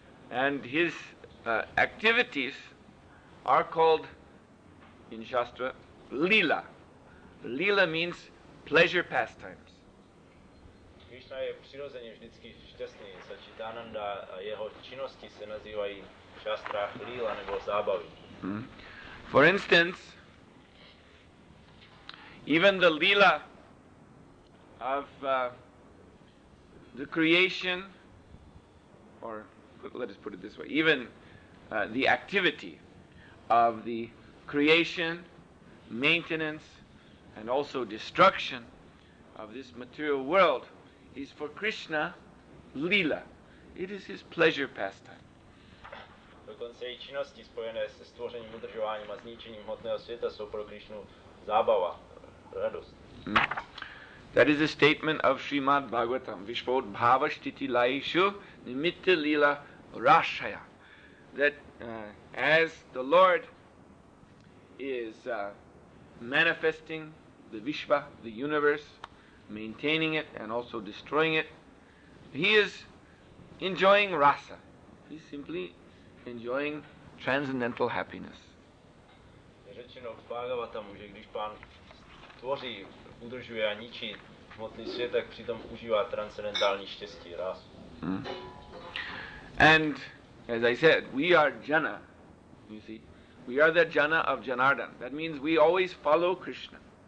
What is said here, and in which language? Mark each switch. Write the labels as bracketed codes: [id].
[en] And his activities are called in shastra lila. Lila means pleasure pastimes. [cs] Krishna je přirozeně vždycky šťastný, sat chit ananda, a jeho činnosti se nazývají šastrach, líla, nebo zábavy. [en] For instance, even the lila of the creation, or let us put it this way, even the activity of the creation, maintenance, and also destruction of this material world is for Krishna lila. It is his pleasure pastime. [cs] Dokonce i činnosti spojené se stvořením, udržováním a zničením hmotného světa jsou pro Krishnu zábava, radost. [en] That is a statement of Srimad Bhagavatam, [sa] Vishvod Bhava Shtiti Laishu Nimitta Lila Rashaya. [en] That as the Lord is manifesting the Vishva, the universe, maintaining it and also destroying it, he is enjoying rasa. He's simply enjoying transcendental happiness. [cs] Řečeno v Bhagavatamu, že když pán tvoří, udržuje a ničí hmotný svět, tak přitom užívá transcendentální štěstí, rasu. [en] And as I said, we are Jana, you see. We are the Jana of Janardan. That means we always follow Krishna.